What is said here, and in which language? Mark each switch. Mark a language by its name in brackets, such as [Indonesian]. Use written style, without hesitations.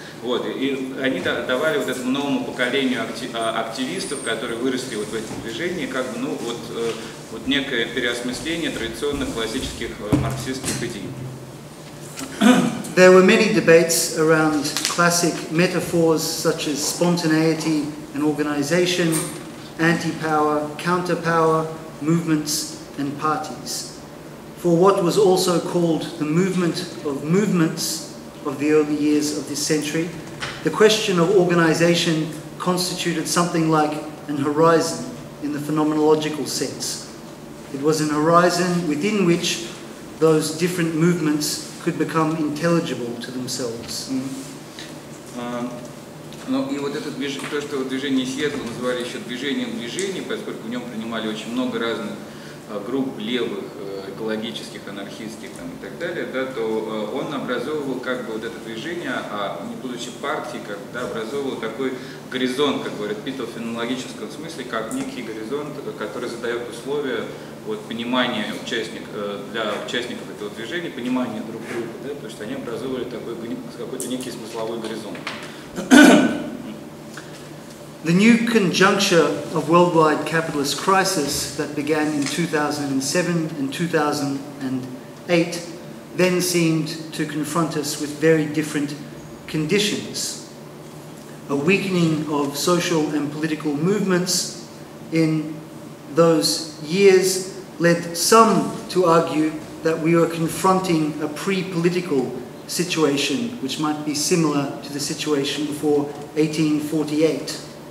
[Russian] Вот, и они давали вот этому новому поколению активистов, которые выросли вот в этом движении, как бы, ну, вот, вот некое переосмысление традиционных классических марксистских идей. [English] There were many debates around classic metaphors such as spontaneity and organization, anti-power, counter-power, movements and parties. For what was also called the movement of movements of the early years of this century, the question of organization constituted something like an horizon in the phenomenological sense. It was an horizon within which those different movements could become intelligible to themselves. [Russian] Ну и вот это движение, то, что движение Сиэтла называли еще движением движения, поскольку в нем принимали очень много разных групп левых, экологических, анархистских там, и так далее, да, то он образовывал как бы вот это движение, а не будучи партией, как, да, образовывал такой горизонт, как говорят Питер, в феноменологическом смысле, как некий горизонт, который задает условия вот, понимания для участников этого движения, понимания друг друга, да, то есть они образовывали такой какой-то некий смысловой горизонт. [English] The new conjuncture of worldwide capitalist crisis that began in 2007 and 2008 then seemed to confront us with very different conditions. A weakening of social and political movements in those years led some to argue that we were confronting a pre-political situation which might be similar to the situation before 1848.